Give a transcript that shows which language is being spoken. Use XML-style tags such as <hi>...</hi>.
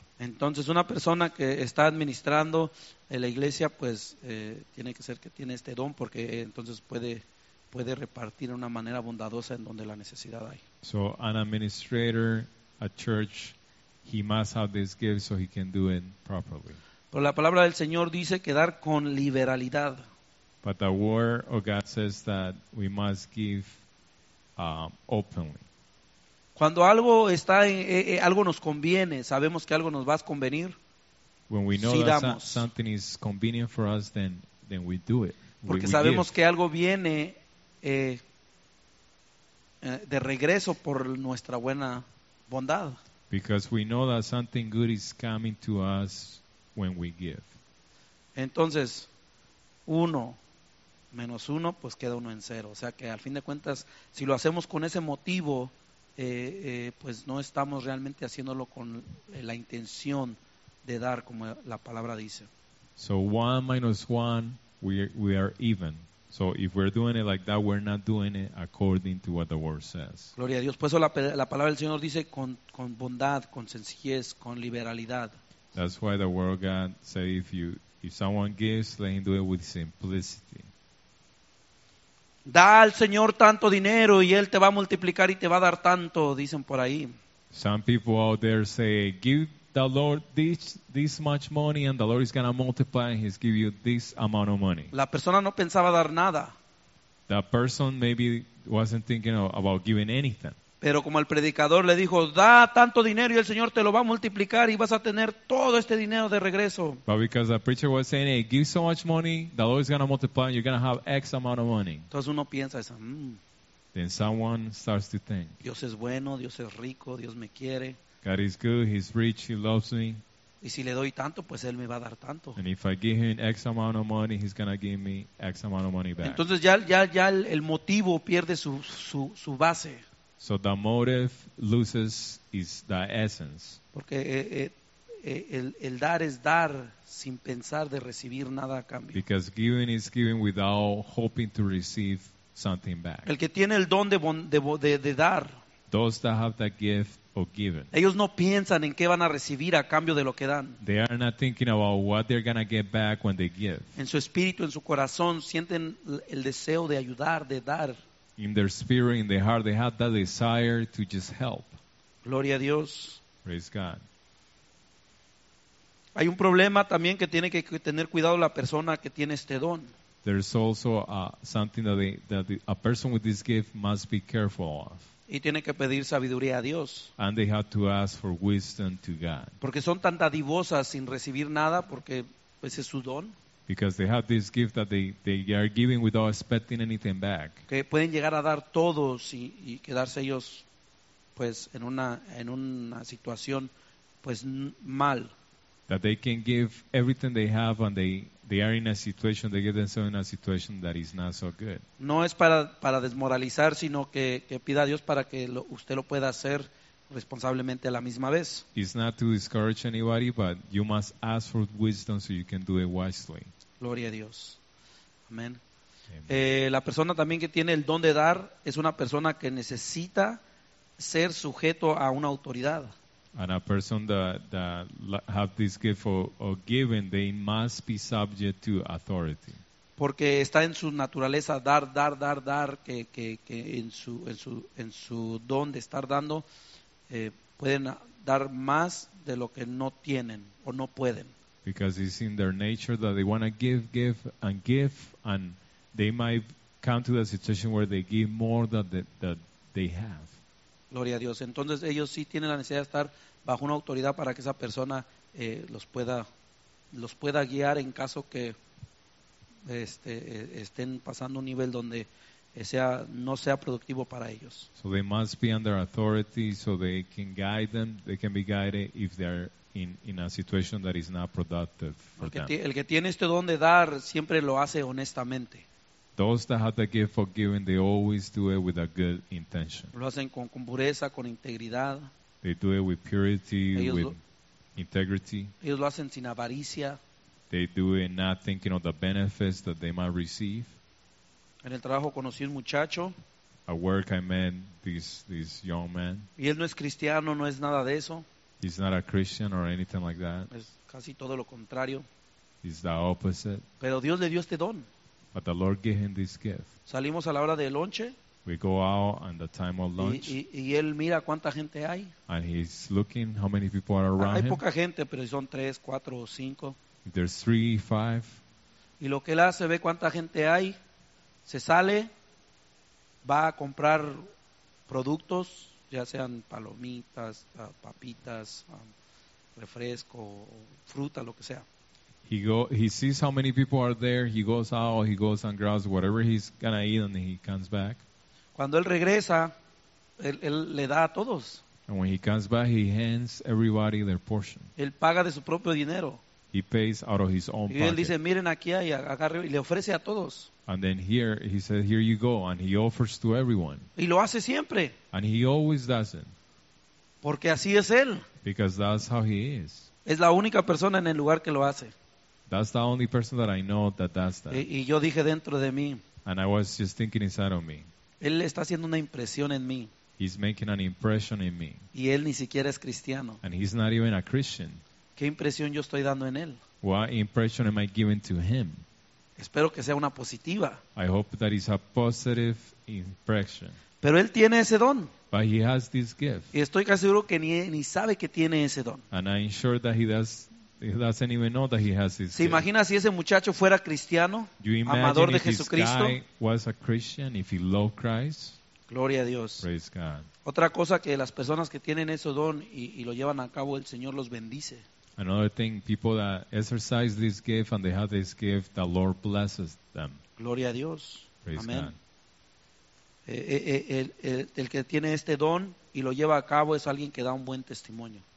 <es>Entonces, una persona que está administrando en la iglesia, pues tiene que ser que tiene este don, porque entonces puede repartir de una manera bondadosa en donde la necesidad hay.</es> <en>So an administrator, a church, he must have this gift so he can do it properly.</en> <es>Pero la palabra del Señor dice que dar con liberalidad.</es> <en>But the word of God says that we must give openly.</en> <es>Cuando algo está en algo nos conviene, sabemos que algo nos va a convenir.</es> <en>When we know that something is convenient for us, then we do it.</en> <es>Porque sabemos que algo viene de regreso por nuestra buena bondad.</es> <en>Because we know that something good is coming to us when we give.</en> <es>Entonces, uno menos uno, pues queda uno en cero. O sea que al fin de cuentas, si lo hacemos con ese motivo, pues no estamos realmente haciéndolo con la intención de dar, como la palabra dice.</es> <en>So one minus one, we are even. So if we're doing it like that, we're not doing it according to what the word says.</en> <es>Gloria a Dios. Pues la palabra del Señor dice con bondad, con sencillez, con liberalidad.</es> <en>That's why the word of God said if someone gives, let him do it with simplicity.</en> <es>Da al Señor tanto dinero y Él te va a multiplicar y te va a dar tanto, dicen por ahí.</es> <en>Some people out there say, give the Lord this much money and the Lord is going to multiply and He's give you this amount of money.</en> <es>La persona no pensaba dar nada.</es> <en>The person maybe wasn't thinking about giving anything.</en> <es>Pero como el predicador le dijo, da tanto dinero y el Señor te lo va a multiplicar y vas a tener todo este dinero de regreso.</es> <en>But because the preacher was saying, hey, give so much money, the Lord is going to multiply and you're going to have X amount of money.</en> <es>Entonces uno piensa eso.</es> <en>Then someone starts to think.</en> <es>Dios es bueno, Dios es rico, Dios me quiere.</es> <en>God is good, He's rich, He loves me.</en> <es>Y si le doy tanto, pues Él me va a dar tanto.</es> <en>And if I give Him X amount of money, He's going to give me X amount of money back.</en> <es>Entonces ya el motivo pierde su base.</es> <en>So the motive loses its the essence.</en> <es>Porque el dar es dar sin pensar de recibir nada a cambio.</es> <en>Because giving is giving without hoping to receive something back.</en> <es>El que tiene el don de dar.</es> <en>Those that have that gift of giving.</en> <es>Ellos no piensan en qué van a recibir a cambio de lo que dan.</es> <en>They are not thinking about what they're going to get back when they give.</en> <es>En su espíritu, en su corazón, sienten el deseo de ayudar, de dar.</es> <en>In their spirit, in their heart, they have that desire to just help.</en> <es>Gloria a Dios.</es> <en>Praise God.</en> <es>Hay un problema también que tiene que tener cuidado la persona que tiene este don.</es> <en>There's also something that a person with this gift must be careful of.</en> <es>Y tiene que pedir sabiduría a Dios.</es> <en>And they have to ask for wisdom to God.</en> <es>Porque son tan dadivosas sin recibir nada porque pues es su don.</es> <en>Because they have this gift that they are giving without expecting anything back.</en> <es>Que pueden llegar a dar todos y quedarse ellos pues en una situación pues mal.</es> <en>That they can give everything they have and they are in a situation, they get themselves in a situation that is not so good.</en> <es>No es para desmoralizar, sino que pida a Dios para que usted lo pueda hacer responsablemente a la misma vez.</es> <en>It's not to discourage anybody, but you must ask for wisdom so you can do it wisely.</en> <es>Gloria a Dios. Amén. La persona también que tiene el don de dar es una persona que necesita ser sujeto a una autoridad.</es> <en>And a person that have this gift of giving, they must be subject to authority.</en> <es>Porque está en su naturaleza dar, que en su don de estar dando, pueden dar más de lo que no tienen o no pueden.</es> <en>Because it's in their nature that they want to give, and they might come to the situation where they give more than that they have.</en> <es>Gloria a Dios. Entonces ellos sí tienen la necesidad de estar bajo una autoridad para que esa persona los pueda guiar en caso que estén pasando un nivel donde no sea productivo para ellos.</es> <en>So they must be under authority so they can guide them. They can be guided if they are in a situation that is not productive for them.</en> <es>El que tiene este don de dar siempre lo hace honestamente.</es> <en>Those that have the gift of giving, they always do it with a good intention.</en> <es>Lo hacen con pureza, con integridad.</es> <en>They do it with purity, integrity.</en> <es>Ellos lo hacen sin avaricia.</es> <en>They do it not thinking of the benefits that they might receive.</en> <es>En el trabajo conocí un muchacho.</es> <en>At work I met this young man.</en> <es>Y él no es cristiano, no es nada de eso.</es> <en>He's not a Christian or anything like that.</en> <es>Es casi todo lo contrario.</es> <en>He's the opposite.</en> <es>Pero Dios le dio este don.</es> <en>But the Lord gave him this gift.</en> <es>Salimos a la hora de lonche.</es> <en>We go out on the time of lunch.</en> <es>Y él mira cuánta gente hay.</es> <en>And he's looking how many people are around him.</en> <es>Hay poca gente, pero son tres, cuatro o cinco.</es> <en>There's three, five.</en> <es>Y lo que él hace, ve cuánta gente hay, se sale, va a comprar productos, ya sean palomitas, papitas, refresco, fruta, lo que sea.</es> <en>He sees how many people are there, he goes out, he goes and grabs whatever he's gonna eat and then he comes back.</en> <es>Cuando él regresa, él le da a todos.</es> <en>And when he comes back, he hands everybody their portion.</en> <es>Él paga de su propio dinero.</es> <en>He pays out of his own pocket.</en> <es>Y él dice, miren aquí hay, agarre, y le ofrece a todos.</es> <en>And then here, he said, here you go. And he offers to everyone.</en> <es>Y lo hace siempre.</es> <en>And he always does it.</en> <es>Porque así es él.</es> <en>Because that's how he is.</en> <es>Es la única persona en el lugar que lo hace.</es> <en>That's the only person that I know that does that.</en> <es>Y yo dije dentro de mí.</es> <en>And I was just thinking inside of me.</en> <es>Él está haciendo una impresión en mí.</es> <en>He's making an impression in me.</en> <es>Y él ni siquiera es cristiano.</es> <en>And he's not even a Christian.</en> <es>¿Qué impresión yo estoy dando en él?</es> <en>What impression am I giving to him?</en> <es>Espero que sea una positiva.</es> <en>I hope that is a positive impression.</en> <es>Pero él tiene ese don.</es> <en>But he has this gift.</en> <es>Y estoy casi seguro que ni sabe que tiene ese don.</es> <en>And I'm sure that he doesn't even know that he has this gift.</en> <es>¿Se imagina si ese muchacho fuera cristiano, amador de Jesucristo?</es> <en>You imagine if this guy was a Christian, if he loved Christ?</en> <es>Gloria a Dios.</es> <en>Praise God.</en> <es>Otra cosa que las personas que tienen ese don y lo llevan a cabo, el Señor los bendice.</es> <en>Another thing, people that exercise this gift and they have this gift, the Lord blesses them.</en> <es>Gloria a Dios.</es> <en>Praise Amen. God.</en> <es>El que tiene este don y lo lleva a cabo es alguien que da un buen testimonio.</es>